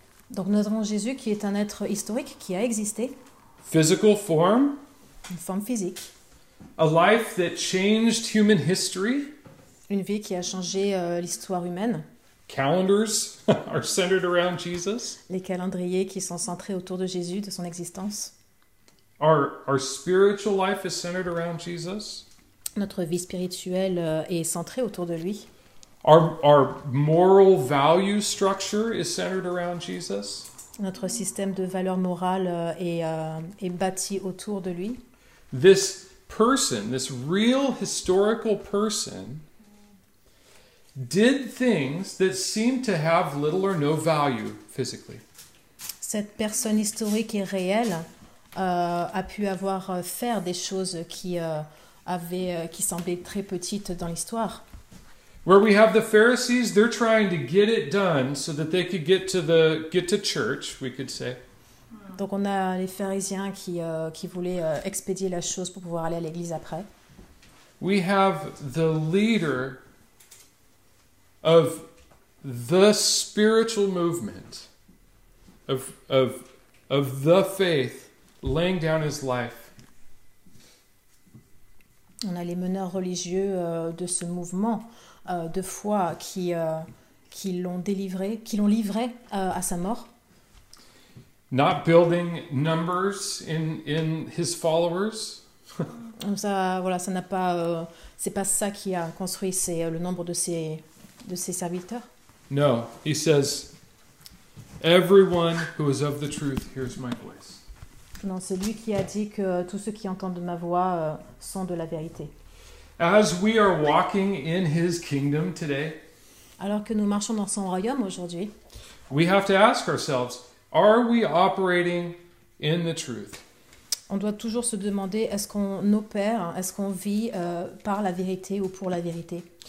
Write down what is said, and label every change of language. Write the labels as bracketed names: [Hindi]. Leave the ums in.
[French] Donc nous avons Jésus qui est un être historique qui a existé. [English] Physical form. Une [French] forme physique. [English] A life that changed human history. [French] Une vie qui a changé euh, l'histoire humaine. [English] Calendars are centered around Jesus. [French] Les calendriers qui sont centrés autour de Jésus, de son existence. [English] Our, our spiritual life is centered around Jesus. [French] Notre vie spirituelle est centrée autour de lui. [English] Our, moral value structure is centered around Jesus. [French] Notre système de valeurs morales est, euh, est, bâti autour de lui. [English] This person, this real historical person, did things that seemed to have little or no value physically. [French] Cette personne historique est réelle. Euh, a pu avoir faire des choses qui euh, avaient qui semblaient très petites dans l'histoire. [English] Where we have the Pharisees, they're trying to get it done so that they could get to the get to church, we could say. [French] Donc on a les pharisiens qui euh, qui voulaient expédier la chose pour pouvoir aller à l'église après. [English] We have the leader of the spiritual movement of, of, of the faith laying down his life. [French] On a les meneurs religieux euh, de ce mouvement euh, de foi qui, euh, qui l'ont délivré, qui l'ont livré à sa mort. [English] Not building numbers in, in his followers. [French] ça, voilà, ça n'a pas, c'est pas ça qui a construit, c'est le nombre de ses [English] No, he says, everyone who is of the truth hears my voice. [French] Non, celui qui a dit que tous ceux qui entendent ma voix sont de la vérité. [English] As we are walking in his kingdom today, [French] alors que nous marchons dans son royaume aujourd'hui, [English] we have to ask ourselves, are we operating in the truth? [French] On doit toujours se demander est-ce qu'on opère, est-ce qu'on vit euh, par la vérité ou pour la vérité